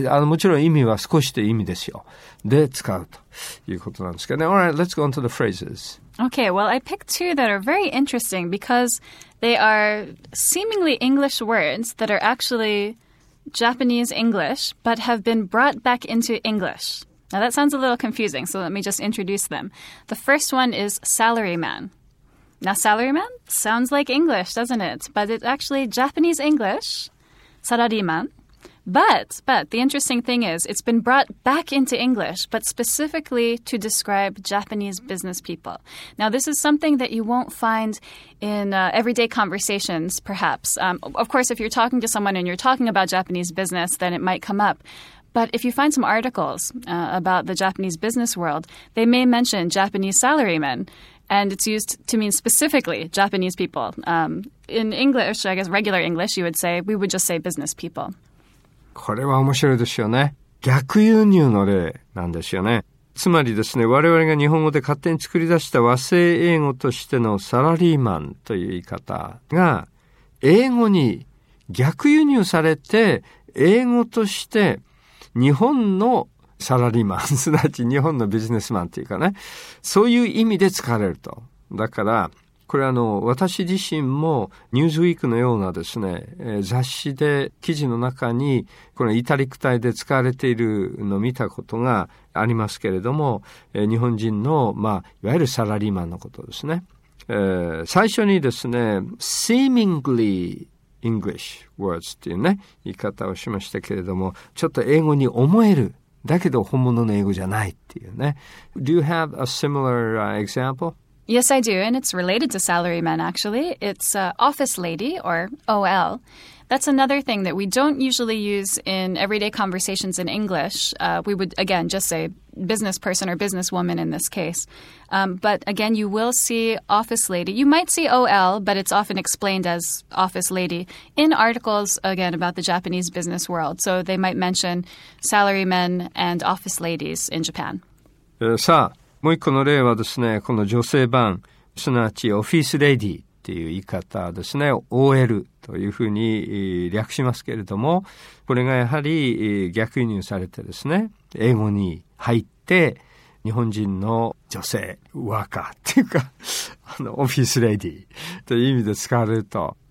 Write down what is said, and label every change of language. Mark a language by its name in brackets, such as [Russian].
[Japanese] もちろん意味は少しという意味ですよ。で、使うということなんですけどね。 [English] Alright, let's go on to the phrases. Okay, well, I picked two that are very interesting because they are seemingly English words that are actually Japanese English, but have been brought back into English. Now, that sounds a little confusing, so let me just introduce them. The first one is salaryman. Now, salaryman sounds like English, doesn't it? But it's actually Japanese English, salaryman. But the interesting thing is it's been brought back into English, but specifically to describe Japanese business people. Now, this is something that you won't find in everyday conversations, perhaps. Of course, if you're talking to someone and you're talking about Japanese business, then it might come up. But if you find some articles about the Japanese business world, they may mention Japanese salarymen. And it's used to mean specifically Japanese people. In English, I guess regular English, you would say, we would just say business people. [Japanese] これは面白いですよね。逆輸入の例なんですよね。つまりですね、我々が日本語で勝手に作り出した和製英語としてのサラリーマンという言い方が、英語に逆輸入されて、英語として日本のサラリーマン、すなわち日本のビジネスマンというかね、そういう意味で使われると。だから、これ私自身もニューズウィークのようなですね、雑誌で記事の中にこのイタリック体で使われているのを見たことがありますけれども、日本人の、まあ、いわゆるサラリーマンのことですね。最初にですね、 [English] seemingly English words [Japanese] っていうね、言い方をしましたけれども、ちょっと英語に思える。だけど本物の英語じゃないっていうね。 [English] Do you have a similar example? Yes, I do, and it's related to salarymen, actually. It's office lady, or OL. That's another thing that we don't usually use in everyday conversations in English. We would, again, just say business person or businesswoman in this case. But again, you will see office lady. You might see OL, but it's often explained as office lady in articles, again, about the Japanese business world. So they might mention salarymen and office ladies in Japan. Sir. [Japanese] もう一個の例はですね、この女性版、すなわちオフィスレディっていう言い方ですね、OL というふうに略しますけれども、これがやはり逆輸入されてですね、英語に入って、日本人の女性、ワーカーっていうか、オフィスレディという意味で使われると。